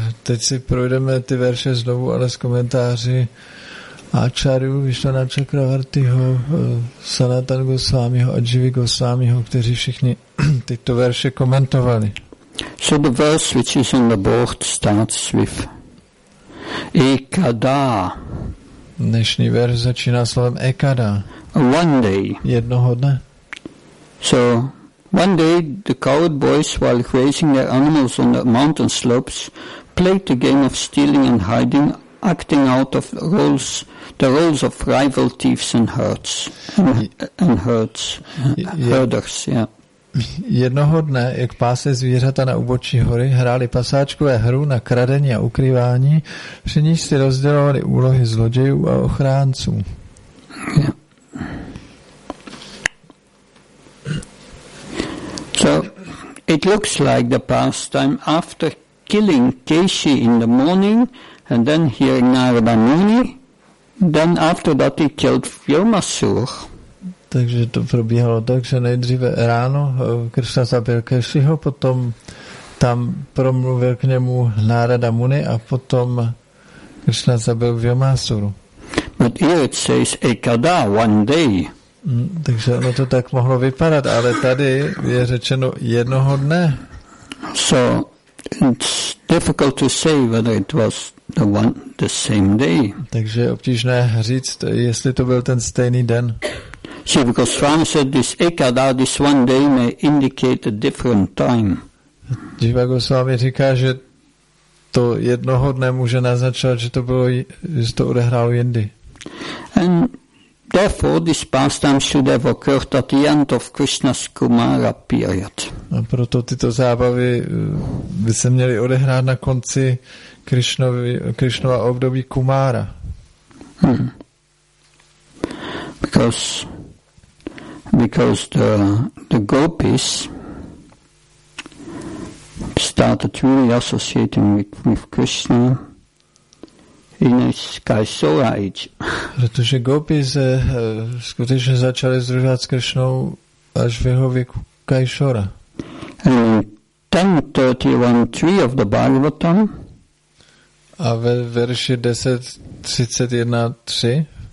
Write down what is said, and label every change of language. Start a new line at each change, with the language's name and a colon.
Czech: Teď si projdeme ty verše znovu, ale z komentáři Ačáryů, Vishwanatha Chakravartiho, Sanatana Goswamiho a Jivy Goswamiho, kteří všichni tyto verše komentovali.
English: So the verse which is on the board starts with Ekada.
Czech: Dnešní verš začíná slovem Ekada.
English: One day.
Czech: Jednoho dne.
English: So one day the coward boys, while grazing their animals on the mountain slopes, played the game of stealing and hiding, acting out of the roles of rival thieves and herders. Yeah.
Czech: Jednoho dne, jak pásli zvířata na úbočí hory, hráli pasáčkové hru na kradení a ukrývání, při níž si rozdělovali úlohy zlodějů a ochránců.
English: Yeah. So it looks like the pastime after killing Keshi in the morning and then hearing Narada Muni, then after that he killed Vyomasur.
Czech: Takže to probíhalo tak, že nejdříve ráno Krishna zabil Keshiho, potom tam promluvil k němu Narada Muni a potom Krishna zabil Vyomasuru.
English: But here it says Ekada, one day.
Czech: Takže ono to tak mohlo vypadat, ale tady je řečeno jednoho dne.
English: So it's difficult to say whether it was the same day.
Czech: Takže je obtížné říct, jestli to byl ten stejný den.
English: See, because Swami said this ekada, this one day may indicate a different time.
Czech: Jiva Goswami říká, že to jednoho dne může naznačovat, že to bylo, že to odehrálo jindy.
English: And Therefore, this pastime should have occurred at the end of Krishna's Kumara period.
Czech: A proto tyto zábavy by se měly odehrát na konci Krishnova období Kumara.
English: Because the gopis started really associating with Krishna in his Kaisara age.
Czech: Protože gopis skutečně začali sdružovat s Krishnou až v jeho věku Kaisara.
English: And 10.31.3 of the Bhagavatam.
Czech: A ve verši 10.31.3